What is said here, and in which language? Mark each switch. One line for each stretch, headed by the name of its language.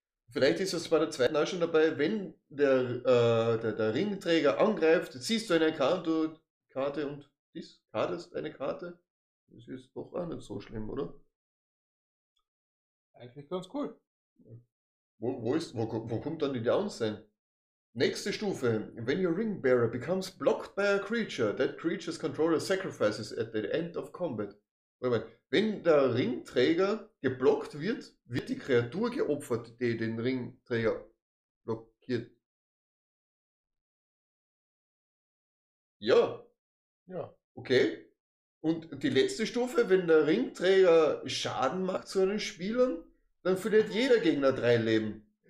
German: Vielleicht ist es bei der zweiten auch schon dabei, wenn der Ringträger angreift, ziehst du eine Karte und... Karte ist eine Karte? Das ist doch auch nicht so schlimm, oder? Eigentlich ganz cool. Wo kommt dann die Downside? Nächste Stufe.
English: When your ring bearer becomes blocked by a creature, that creature's controller sacrifices at the end of combat.
German: Wenn der Ringträger geblockt wird, wird die Kreatur geopfert, die den Ringträger blockiert. Ja. Ja. Okay, und die letzte Stufe, wenn der Ringträger Schaden macht zu einem Spieler, dann verliert jeder Gegner 3 Leben.